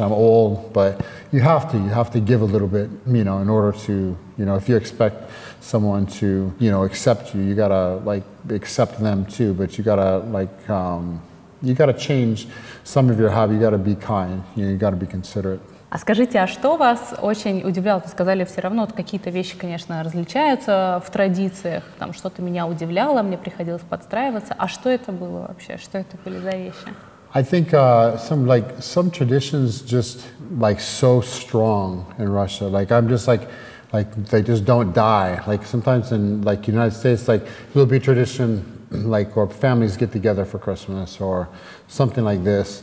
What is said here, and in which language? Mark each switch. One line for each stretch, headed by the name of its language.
English: I'm old, but you have to give a little bit. You know, in order to, you know, if you expect someone to, you know, accept you, you gotta like accept them too. But you gotta like you gotta change some of your habits. You gotta be kind. You know, you gotta be considerate.
Russian: А скажите, а что вас очень удивляло? Вы сказали, все равно какие-то вещи, конечно, различаются в традициях. Там что-то меня удивляло, мне приходилось подстраиваться. А что это было вообще? Что это были за вещи?
English: I think some traditions just like so strong in Russia. Like I'm just like they just don't die. Like sometimes in like United States, like there'll be tradition. Like, or families get together for Christmas or something like this.